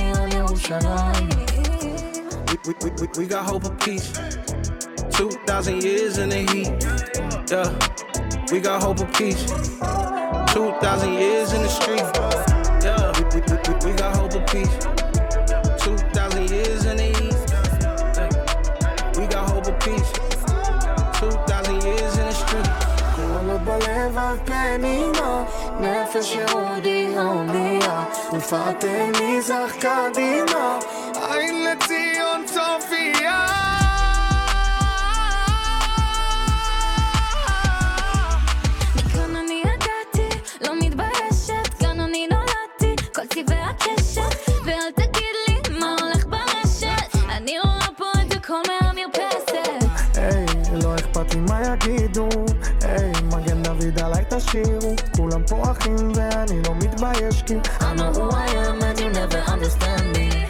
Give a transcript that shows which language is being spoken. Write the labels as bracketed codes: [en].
[en] We got hope of peace 2,000 years in the heat Yeah, we got hope of peace 2,000 years in the street Yeah, we got hope of peace 2,000 years in the heat We got hope of peace 2,000 years in the street [he] נפש יהודי הומיה ופאתם מזרח קדימה עין לציון צופיה מכאן אני הגעתי לא מתביישת כאן אני נולדתי כל צבעי הקשת ואל תגיד לי מה הולך ברשת אני רואה פה את הכל מהמרפסת היי, לא אכפת לי מה יגידו היי, מגן דוד עליי תשאירו כולם פה אחים ואני לא מתבייש כי [en] I know who I am and you never understand me